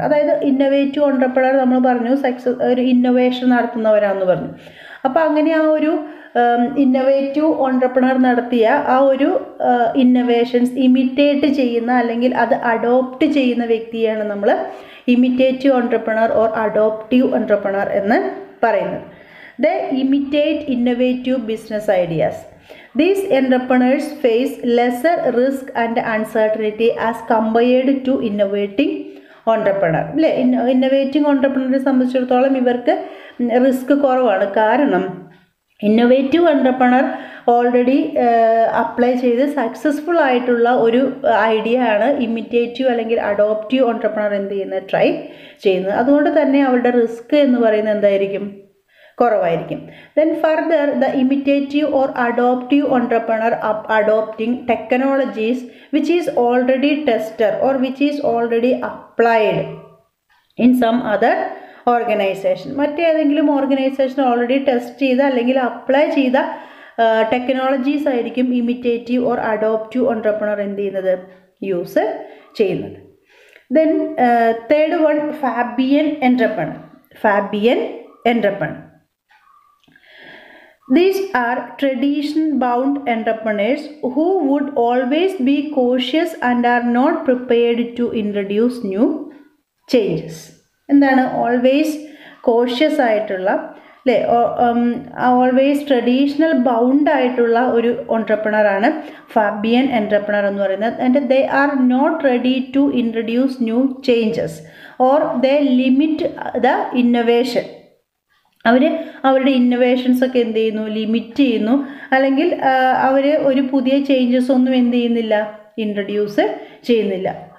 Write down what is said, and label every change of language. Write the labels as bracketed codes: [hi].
[ml] അതായത് innovative entrepreneur നമ്മൾ പറഞ്ഞു സക്സസ് ഒരു ഇന്നൊവേഷൻ നടത്തുന്നവരാന്ന് പറഞ്ഞു. അപ്പോൾ അങ്ങനെ ആ ഒരു ഇന്നൊവേറ്റീവ് എന്റർപ്രണർ നടത്തിയ ആ ഒരു ഇന്നൊവേഷൻസ് ഇമിറ്റേറ്റ് ചെയ്യുന്ന അല്ലെങ്കിൽ അത് അഡോപ്റ്റ് ചെയ്യുന്ന വ്യക്തിയാണ് നമ്മൾ imitative entrepreneur or adoptive entrepreneur എന്ന് പറയുന്നത്. [en] They imitate innovative business ideas. These entrepreneurs face lesser risk and uncertainty as compared to innovating entrepreneur. [ml] ഇല്ലേ, ഇന്നൊവേറ്റിംഗ് എന്റർപ്രണറെ സംബന്ധിച്ചിടത്തോളം ഇവർക്ക് റിസ്ക് കുറവാണ്. കാരണം ഇന്നൊവേറ്റീവ് എന്റർപ്രണർ ഓൾറെഡി അപ്ലൈ ചെയ്ത് സക്സസ്ഫുൾ ആയിട്ടുള്ള ഒരു ഐഡിയ ആണ് ഇമിറ്റേറ്റീവ് അല്ലെങ്കിൽ അഡോപ്റ്റീവ് എന്റർപ്രണർ എന്ത് ചെയ്യുന്നത്, ട്രൈ ചെയ്യുന്നത്. അതുകൊണ്ട് തന്നെ അവരുടെ റിസ്ക് എന്ന് പറയുന്നത് എന്തായിരിക്കും, കുറവായിരിക്കും. [en] Then further, the imitative or adoptive entrepreneur adopting technologies which is already tester or which is already applied in some other organisation. [ml] മറ്റേതെങ്കിലും ഓർഗനൈസേഷൻ ഓൾറെഡി ടെസ്റ്റ് ചെയ്ത അല്ലെങ്കിൽ അപ്ലൈ ചെയ്ത ടെക്നോളജീസ് ആയിരിക്കും ഇമിറ്റേറ്റീവ് ഓർ അഡോപ്റ്റീവ് എന്റർപ്രണർ എന്ത് ചെയ്യുന്നത്, use ചെയ്യുന്നത്. [en] Then third one, Fabian entrepreneur. Fabian entrepreneur, these are tradition bound entrepreneurs who would always be cautious and are not prepared to introduce new changes. [ml] endana always cautious aayittulla അല്ലേ, always traditional bound ആയിട്ടുള്ള ഒരു എന്റർപ്രണറാണ് Fabian entrepreneur എന്ന് പറയുന്നത്. [en] And they are not ready to introduce new changes or they limit the innovation. [ml] അവർ അവരുടെ ഇന്നൊവേഷൻസൊക്കെ എന്ത് ചെയ്യുന്നു, limit ചെയ്യുന്നു, അല്ലെങ്കിൽ അവർ ഒരു പുതിയ ചേഞ്ചസൊന്നും എന്ത് ചെയ്യുന്നില്ല, ഇൻട്രൊഡ്യൂസ് ചെയ്യുന്നില്ല.